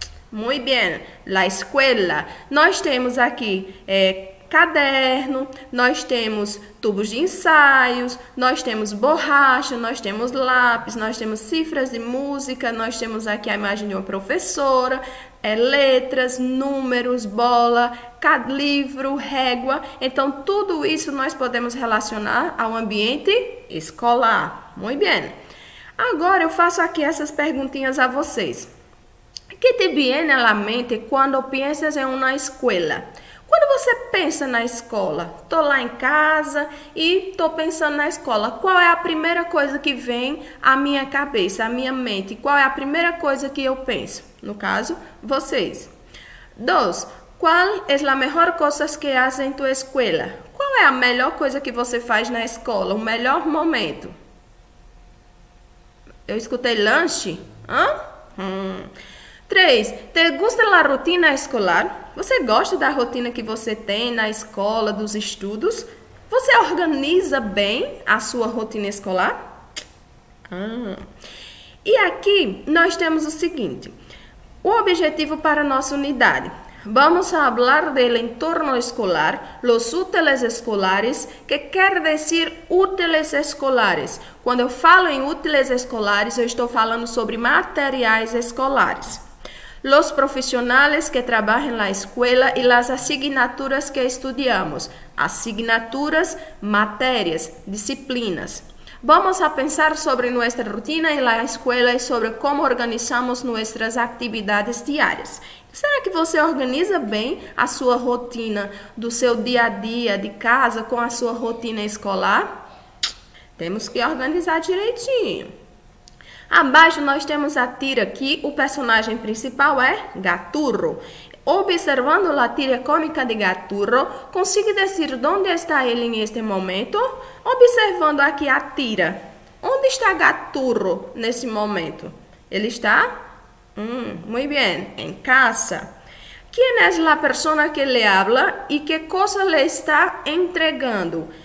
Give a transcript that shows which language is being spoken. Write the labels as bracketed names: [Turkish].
[Spanish] Muy bien, la escuela. [Portuguese] Nós temos aqui caderno, nós temos tubos de ensaios, nós temos borracha, nós temos lápis, nós temos cifras de música, nós temos aqui a imagem de uma professora, letras, números, bola, livro, régua. Então, tudo isso nós podemos relacionar ao ambiente escolar. Muito bem. Agora, eu faço aqui essas perguntinhas a vocês. [Spanish] ¿Qué te viene a la mente cuando piensas en una escuela? [Portuguese] Quando você pensa na escola, estou lá em casa e estou pensando na escola, qual é a primeira coisa que vem à minha cabeça, à minha mente? Qual é a primeira coisa que eu penso? No caso, vocês. Dois, qual é a melhor coisa que haces em tua escola? Qual é a melhor coisa que você faz na escola, o melhor momento? Eu escutei lanche? Hã? 3. [Spanish] Te gusta la rutina escolar? [Portuguese] Você gosta da rotina que você tem na escola, dos estudos? Você organiza bem a sua rotina escolar? E aqui nós temos o seguinte: o objetivo para a nossa unidade. [Spanish] Vamos a hablar del entorno escolar, los útiles escolares, [Portuguese] que quer dizer [Spanish] útiles escolares. [Portuguese] Quando eu falo em útiles escolares, eu estou falando sobre materiais escolares. [Spanish] Los profesionales que trabajan en la escuela y las asignaturas que estudiamos. Asignaturas, materias, disciplinas. Vamos a pensar sobre nuestra rutina en la escuela y sobre cómo organizamos nuestras actividades diarias. [Portuguese] Será que você organiza bem a sua rutina do seu dia a dia de casa com a sua rotina escolar? Temos que organizar direitinho. Abaixo nós temos a tira que o personagem principal é Gaturro. Observando a tira cômica de Gaturro, consigo dizer onde está ele neste momento? Observando aqui a tira, onde está Gaturro nesse momento? Ele está? [Spanish] Muy bien, [Portuguese] em casa. [Spanish] ¿Quién es la persona que le habla y qué cosa le está entregando?